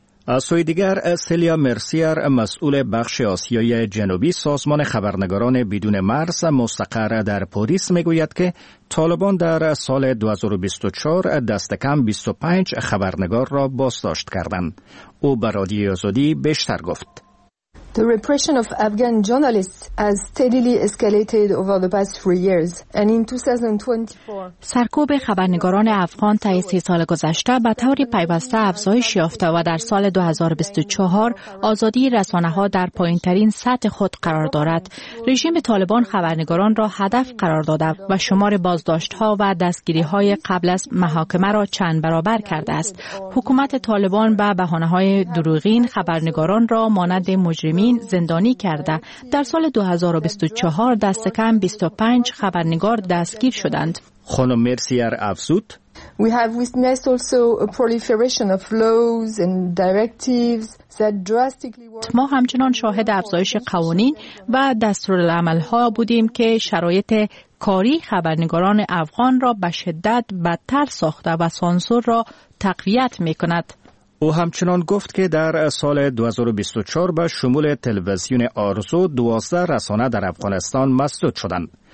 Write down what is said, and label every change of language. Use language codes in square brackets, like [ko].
[fa] از سوی دیگر سلیا مرسیر مسئول بخش آسیای جنوبی سازمان خبرنگاران بدون مرز مستقر در پاریس میگوید که طالبان در سال 2024 دست کم 25 خبرنگار را بازداشت کردند. او به رادیو آزادی بیشتر گفت. [en] The repression of Afghan journalists has steadily escalated over the past 3 years, and in 2024. [fa] سرکوب خبرنگاران افغان طی 3 سال گذشته به طور پیوسته افزایش یافته و در سال 2024 آزادی رسانه‌ها در پایین‌ترین سطح خود قرار دارد. رژیم طالبان خبرنگاران را هدف قرار داده و شمار بازداشت‌ها و دستگیری‌های قبل از محاکمه را چند برابر کرده است. حکومت طالبان به بهانه‌های دروغین خبرنگاران را مانند مجرمین زندانی کرده. در سال 2024 دست کم 25 خبرنگار دستگیر شدند. خانم مرسیر افزود [en] We have witnessed also a proliferation of laws and directives that drastically [fa] ما همچنان شاهد افزایش قوانین و دستورالعمل‌ها بودیم که شرایط کاری خبرنگاران افغان را به شدت بدتر ساخته و سانسور را تقویت می‌کند. او همچنان گفت که در سال 2024 به شمول تلویزیون آرزو 12 رسانه در افغانستان مسدود شدند.